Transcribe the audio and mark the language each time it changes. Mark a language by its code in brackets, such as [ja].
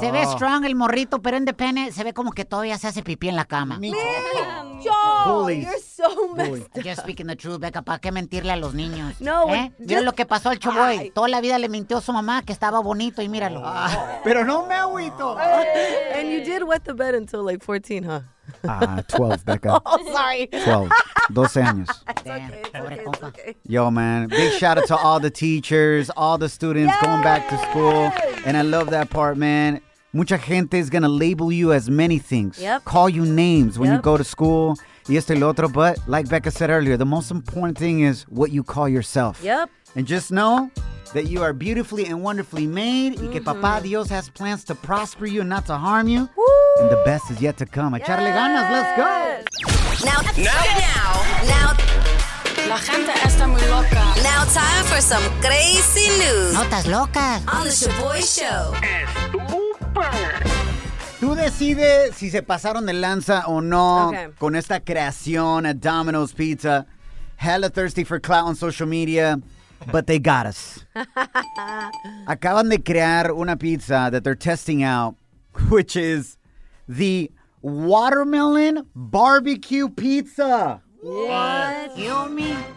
[es] Se ve strong el morrito, pero independent se ve como que todavía se hace pipí en la cama. [en] Micho. Bullies. You're so messed up. Just speaking the truth, Becca. [es] ¿Para qué mentirle a los niños? [en] No. [es] Just, mira lo que pasó al Chuboy. Toda la vida le mintió a su mamá que estaba bonito y míralo. Pero no me agüito. [en] Hey. And you did wet the bed until like 14, huh? 12, Becca. Oh, sorry. [es] 12. 12 años. [en] It's okay. Yo, man. Big shout out to all the teachers, all the students going back to school. And I love that part, man. [es] Mucha gente [en] is going to label you as many things. Yep. Call you names when you go to school. [es] Y esto y lo otro. [en] But like Becca said earlier, the most important thing is what you call yourself. Yep. And just know that you are beautifully and wonderfully made. Mm-hmm. [es] Y que Papa Dios [en] has plans to prosper you and not to harm you. Woo! And the best is yet to come. [es] Echarle ganas, [en] let's go. Now. [es] La gente está muy loca. [en] Now time for some crazy news. [es] Notas locas. [en] On the Shaboy Show. [es] Tú decides si se pasaron de lanza o no con esta creación at Domino's Pizza. [en] Hella thirsty for clout on social media. But they got us. [es] Acaban de crear una pizza [en] that they're testing out, which is the watermelon barbecue pizza. What? You me?